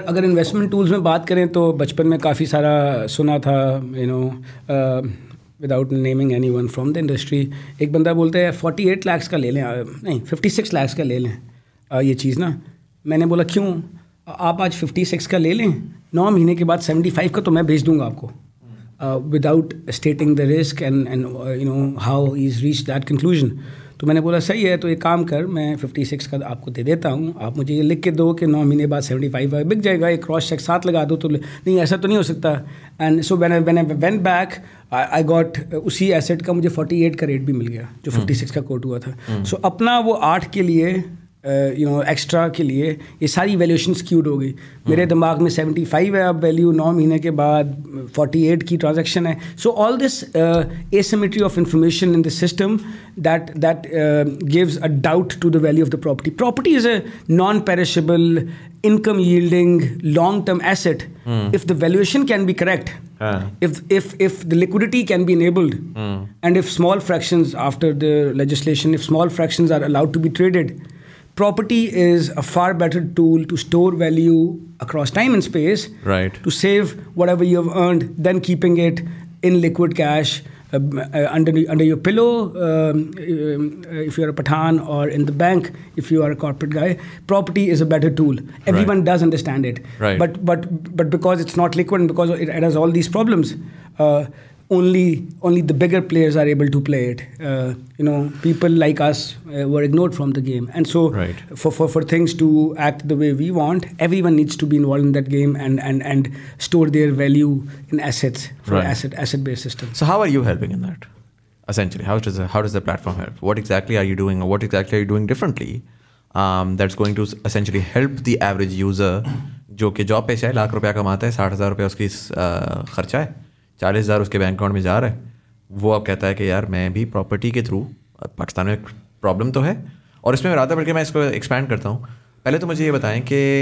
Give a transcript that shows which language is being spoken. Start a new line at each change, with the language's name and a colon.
Hindi: अगर investment tools में बात करें तो बचपन में काफ़ी सारा सुना था
English: without naming anyone from the industry
Hindi: एक बंदा बोलता है 48 लाख का ले लें नहीं 56 लाख का ले लें ये चीज़ ना मैंने बोला क्यों आप आज 56 का ले लें 9 महीने के बाद 75 का तो मैं भेज दूँगा आपको
English: without stating the risk and you know how he's reached that conclusion.
Hindi: तो मैंने बोला सही है तो एक काम कर मैं 56 का आपको दे देता हूँ आप मुझे ये लिख के दो कि 9 महीने बाद 75 बिक जाएगा एक क्रॉस चेक साथ लगा दो तो नहीं ऐसा तो नहीं हो सकता
English: and so when I went back I got
Hindi: उसी एसेट का मुझे 48 का रेट भी मिल गया जो 56 का कोट हुआ था सो अपना वो 8 के लिए यू नो एक्स्ट्रा के लिए ये सारी वैल्यूएशन स्क्यूड हो गई मेरे दिमाग में 75 है अब वैल्यू 9 महीने के बाद 48 की ट्रांजैक्शन है
English: So all this asymmetry of information in the system that gives a doubt to the value of the property property is a non perishable income yielding long term asset if the valuation can be correct If the liquidity can be enabled and if small fractions after the legislation if small fractions are allowed to be traded property is a far better tool to store value across time and space right to save whatever you have earned than keeping it in liquid cash under your pillow if you are a Pathan or in the bank if you are a corporate guy property is a better tool everyone right. does understand it right. but because it's not liquid and because it has all these problems only the bigger players are able to play it you know people like us were ignored from the game and so right. for things to act the way we want everyone needs to be involved in that game and store their value in assets for right. asset based system so how are you helping in that essentially how does the platform help what exactly are you doing or what exactly are you doing differently that's going to essentially help the average user
Hindi: jo ke job pe hai lakh rupaye kamata hai 60,000 rupaye uski kharcha hai 40,000 उसके bank account में जा रहा है वो अब कहता है कि यार मैं भी प्रॉपर्टी के थ्रू पाकिस्तान में एक प्रॉब्लम तो है और इसमें राधा बढ़ के मैं इसको एक्सपैंड करता हूँ पहले तो मुझे ये बताएं कि